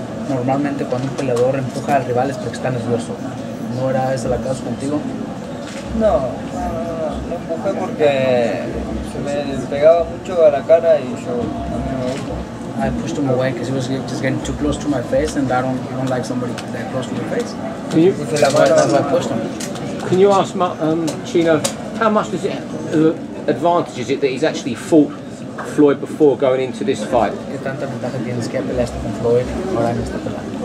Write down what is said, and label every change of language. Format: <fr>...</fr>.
<es>Normalmente cuando un peleador empuja al rival es porque está nervioso. ¿No era ese el caso contigo? No, lo empujé porque se me pegaba mucho a la cara y yo a mí me gusta.</es> <en>I pushed him away because he was just getting too close to my face and I don't like somebody that close to your face. Can you? That's why I pushed him. Can you ask Chino, how much does it advantage is it that he's actually fought Floyd before going into this fight?</en> <es>¿Qué tanta ventaja tienes que peleaste con Floyd ahora en esta pelea?</es>